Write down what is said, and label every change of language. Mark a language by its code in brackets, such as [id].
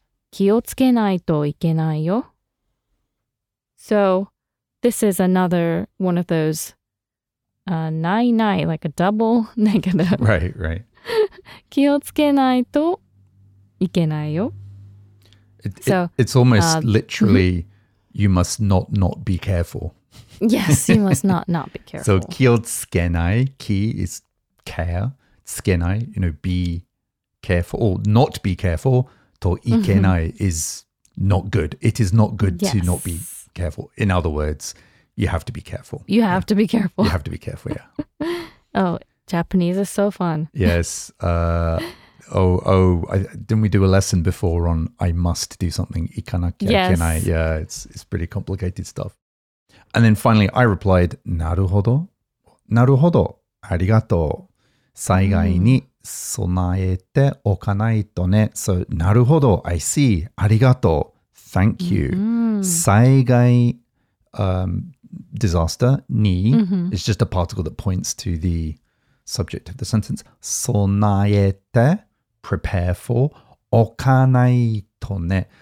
[ja] 気をつけないといけないよ。 [en] So this is another one of those ないない, like a double negative. Right, right. [ja] 気をつけないといけないよ。 [en] It's almost literally, you must not be careful. Yes, you must not be careful. So, 気をつけない, 気 is care, つけない, you know, be careful, or not be careful, といけない is not good. It is not good to not be careful. In other words, you have to be careful. You have to be careful. You have to be careful, yeah. Oh, Japanese is so fun. Yes. Didn't we do a lesson before on I must do something, [ja] 行かなきゃいけない? [en] Yeah, it's pretty complicated stuff. And then finally, I replied, なるほど。 [ja] なるほど。ありがとう。災害に備えておかないとね。 [en] So, なるほど。I see. ありがとう。Thank you. 災害、disaster, に、is just a particle that points to the subject of the sentence. [ja] 備えて、 [en] prepare for, [ja] おかないとね。